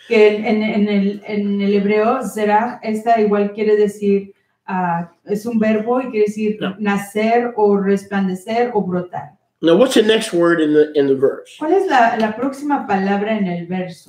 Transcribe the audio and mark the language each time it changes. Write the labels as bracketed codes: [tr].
[es] Que en el hebreo, zerach, esta igual quiere decir, es un verbo y quiere decir no. Nacer o resplandecer o brotar. [en] Now, what's the next word in the verse? [es] ¿Cuál es la próxima palabra en el verso?